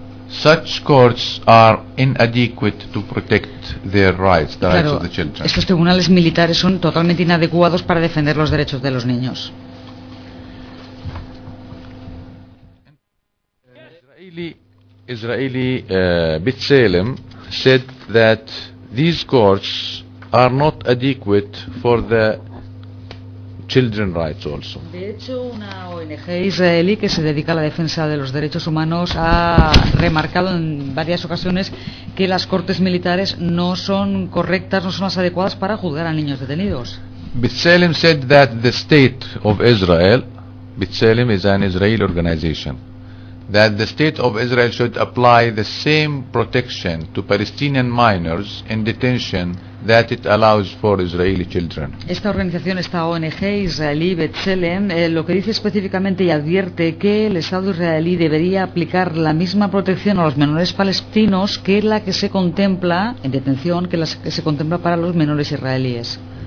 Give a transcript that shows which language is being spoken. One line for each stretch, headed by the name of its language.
English: Such courts are inadequate to protect their rights, the rights of the children.
Spanish: Estos tribunales militares son totalmente inadecuados para defender los derechos de los niños.
English: Israeli B'Tselem said that these courts are not adequate for the children rights also.
Spanish: De hecho, una ONG israelí que se dedica a la defensa de los derechos humanos ha remarcado en varias ocasiones que las cortes militares no son correctas, no son las adecuadas para juzgar a niños detenidos.
English: B'Tselem said that the state of Israel, B'Tselem is an Israeli organization, that the state of Israel should apply the same protection to Palestinian minors in detention that it allows for Israeli children.
Spanish: Esta organización, esta ONG israelí B'Tselem, lo que dice específicamente y advierte que el Estado israelí debería aplicar la misma protección a los menores palestinos que la que se contempla en detención, que la que se contempla para los menores israelíes.